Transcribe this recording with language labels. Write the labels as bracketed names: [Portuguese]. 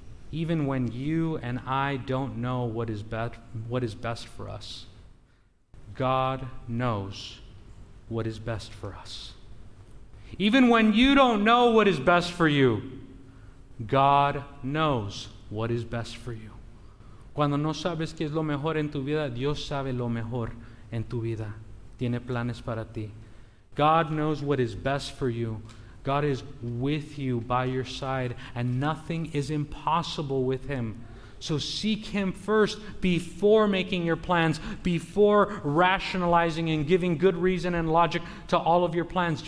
[English] Even when you and I don't know what is best for us, God knows what is best for us. Even when you don't know what is best for you, God knows what is best for you. [Spanish] Cuando no sabes qué es lo mejor en tu vida, Dios sabe lo mejor en tu vida. Tiene planes para ti. [English] God knows what is best for you. God is with you by your side, and nothing is impossible with him. So seek him first before making your plans, before rationalizing and giving good reason and logic to all of your plans.